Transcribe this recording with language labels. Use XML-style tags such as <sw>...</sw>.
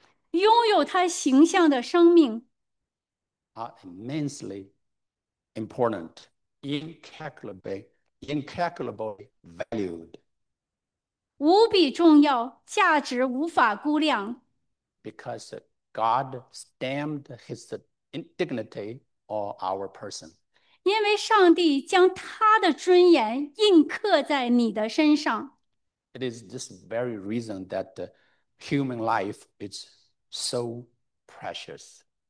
<zh>拥有他形象的生命,</zh> <en>are immensely important, incalculably valued,</en> <zh>无比重要，价值无法估量。</zh> <en>because God stamped His dignity on our person.</en> <zh>因为上帝将他的尊严印刻在你的身上。</zh> <en>It is this very reason that human life is so precious.</en>